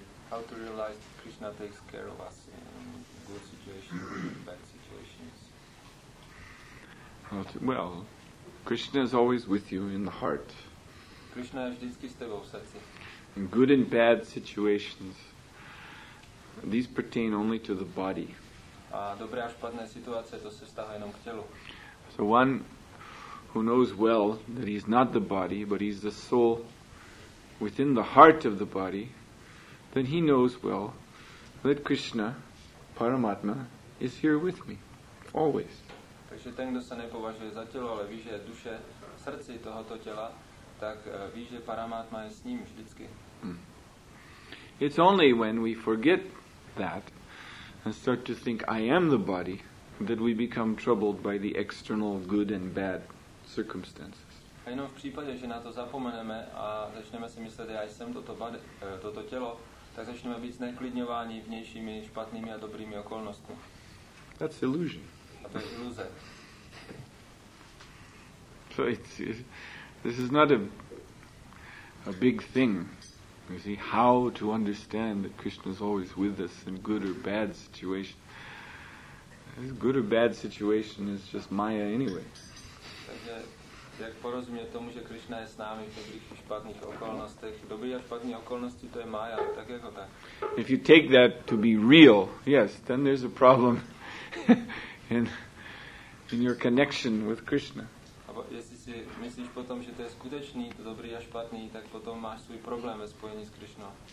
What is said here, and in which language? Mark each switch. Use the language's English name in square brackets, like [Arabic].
[English] how to realize Krishna takes care of us in good situations, bad situations. Well, Krishna is always with you in the heart. [Czech] Krishna je vždycky s tebou v srdci. [English] In good and bad situations, these pertain only to the body. [Czech] A dobré a špatné situace, to se vztahuje jenom k tělu. [English] So one who knows well that he's not the body, but he's the soul within the heart of the body, then he knows well that Krishna, Paramatma, is here with me, always. [Czech] Takže ten, kdo se nepovažuje za tělo, ale ví, že je duše v srdci tohoto těla, tak ví, že Paramatma je s ním vždycky. [English] It's only when we forget that and start to think I am the body that we become troubled by the external good and bad circumstances. [Czech] A jenom v případě, že na to zapomeneme a začneme si myslet, já jsem toto tělo, tak začneme být zneklidňováni vnějšími špatnými a dobrými okolnostmi. [English] That's illusion. [Czech] A to je iluze. [English] So this is not a big thing. You see, how to understand that Krishna is always with us in good or bad situation. This good or bad situation is just Maya anyway. [Czech] Takže jak porozumět tomu, že Krishna je s námi v dobrých špatných okolnostech. Dobrý a špatný okolnosti, to je Maya, tak jako tak. [English] If you take that to be real, yes, then there's a problem in your connection with Krishna. [Czech] Jestli si myslíš potom, že to je skutečný, to dobrý a špatný, tak potom máš svůj problém ve spojení s Krishnou.